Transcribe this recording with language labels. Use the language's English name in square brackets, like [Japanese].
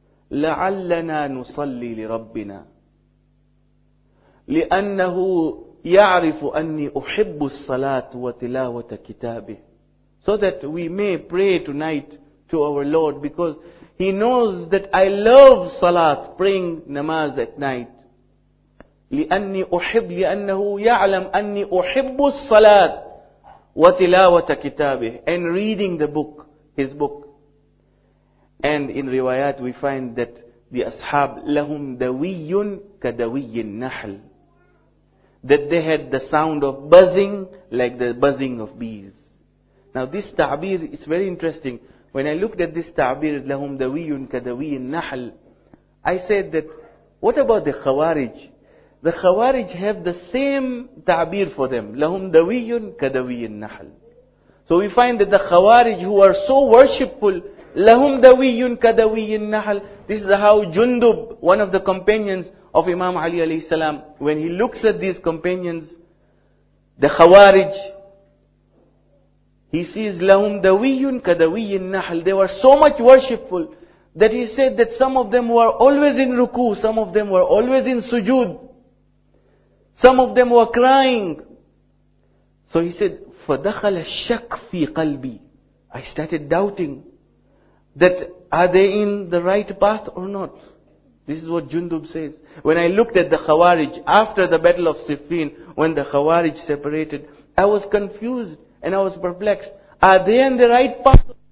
[Arabic] لَعَلَّنَا نُصَلِّي لِرَبِّنَا لِأَنَّهُ يَعْرِفُ أَنِّي أُحِبُّ الصَّلَاةُ وَتِلَاوَةَ كِتَابِهِ. [English] So that we may pray tonight to our Lord, because He knows that I love salat, praying namaz at night. [Arabic] لِأَنَّهُ يَعْلَمْ أَنِّي أُحِبُّ الصَّلَاةِ وَتِلَاوَةَ كِتَابِهِ, [English] and reading the book, his book. And in riwayat we find that the Ashab [Arabic] لَهُمْ دَوِيٌّ كَدَوِيٍّ النَّحْلِ, [English] that they had the sound of buzzing like the buzzing of bees. Now this ta'bir is very interesting. When I looked at this ta'bir, [Arabic] لَهُمْ دَوِيٌّ كَدَوِيٍّ النَّحْلِ, [English] I said that what about the Khawarij? The Khawarij have the same ta'bir for them. [Arabic] لَهُمْ دَوِيٌّ كَدَوِيٍّ النَّحْلِ. [English] So we find that the Khawarij, who are so worshipful, [Arabic] لَهُمْ دَوِيٌّ كَدَوِيٍّ النَّحْلِ. [English] This is how Jundub, one of the companions of Imam Ali alayhi salam, when he looks at these companions, the Khawarij, He sees [Arabic] lahum dawiyun kadawiyin nahl. [English] They were so much worshipful that he said that some of them were always in ruku, some of them were always in sujood, some of them were crying. So he said, [Arabic] فَدَخَلَ الشَّكْ فِي قَلْبِي. [English] I started doubting that are they in the right path or not. This is what Jundub says. When I looked at the Khawarij after the Battle of Siffin, when the Khawarij separated, I was confused and I was perplexed. Are they in the right path?